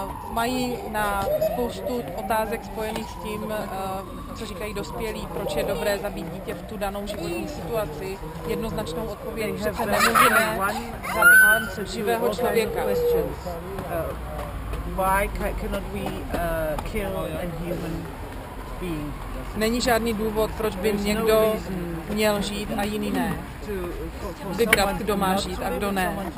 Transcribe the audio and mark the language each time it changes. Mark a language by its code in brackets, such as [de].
[cs] Mají na spoustu otázek spojených s tím, co říkají dospělí, proč je dobré zabít dítě v tu danou životní situaci. Jednoznačnou odpověď, že se nemůžeme zabít živého člověka. [en] Why cannot we kill a human being? [cs] Není žádný důvod, proč by někdo měl žít a jiný ne. Vybrat, kdo má žít a kdo ne.